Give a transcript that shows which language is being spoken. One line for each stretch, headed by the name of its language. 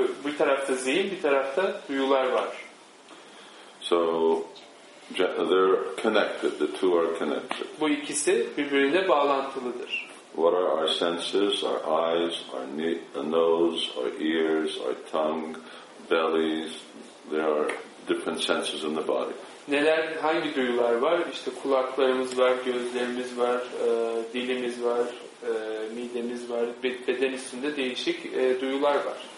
Turkish: Bir tarafta zihin, bir tarafta duyular var.
English: So they're connected. The two are connected.
Turkish: Bu ikisi birbirine bağlantılıdır.
English: What are our senses? Our eyes, our nose, our ears, our tongue, bellies. There are different senses in the body.
Turkish: Neler, hangi duyular var? İşte kulaklarımız var, gözlerimiz var, dilimiz var, midemiz var, beden üstünde değişik duyular var.